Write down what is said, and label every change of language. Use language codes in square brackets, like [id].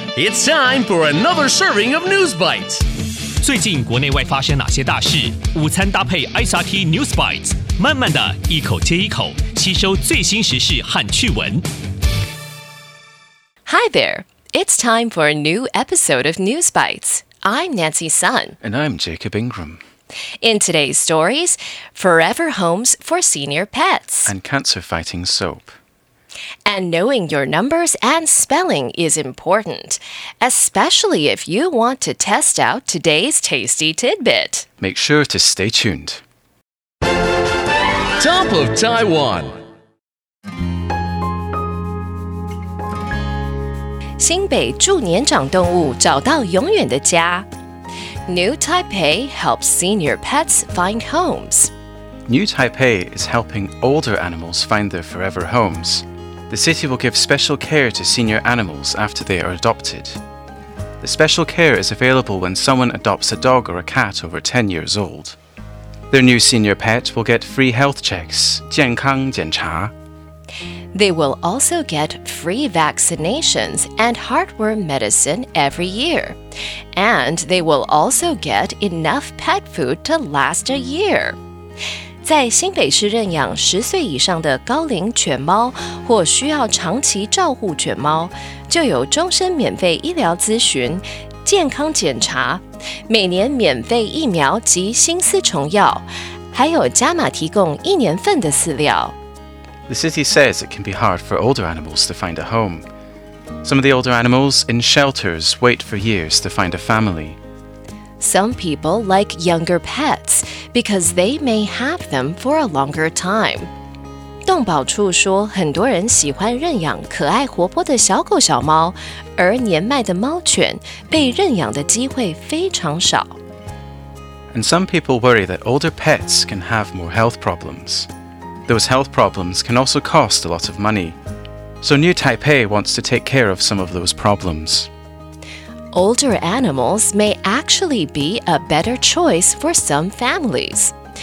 [en] It's time for another serving of News Bites. [zh] 最近国内外发生哪些大事？午餐搭配 SRT News Bites， 慢慢的一口接一口，吸收最新时事和趣闻。 [en] Hi there. It's time for a new episode of News Bites. I'm Nancy Sun. And I'm Jacob Ingram. In today's stories, forever homes for senior pets. And cancer-fighting soap. And knowing your numbers and spelling is important, especially if you want to test out today's tasty tidbit. Make sure to stay tuned. Top of Taiwan! [zh] 新北助年长动物找到永远的家。 [en] New Taipei helps senior pets find homes. New Taipei is helping older animals find their forever homes. The city will give special care to senior animals after they are adopted. The special care is available when someone adopts a dog or a cat over 10 years old. Their new senior pet will get free health checks, [zh] 健康检查. [en] They will also get free vaccinations and heartworm medicine every year. And they will also get enough pet food to last a year. [zh] 在新北市认养10岁以上的高龄犬猫或需要长期照护犬猫，就有终身免费医疗咨询、健康检查、每年免费疫苗及心丝虫药，还有加码提供一年份的饲料。 [en] The city says it can be hard for older animals to find a home. Some of the older animals in shelters wait for years to find a family. Some people like younger pets because they may have them for a longer time. [zh] 动保处说很多人喜欢认养可爱活泼的小狗小猫，而年迈的猫犬被认养的机会非常少。 [en] And some people worry that older pets can have more health problems. Those health problems can also cost a lot of money. So New Taipei wants to take care of some of those problems. Older animals may actually be a better choice for some families.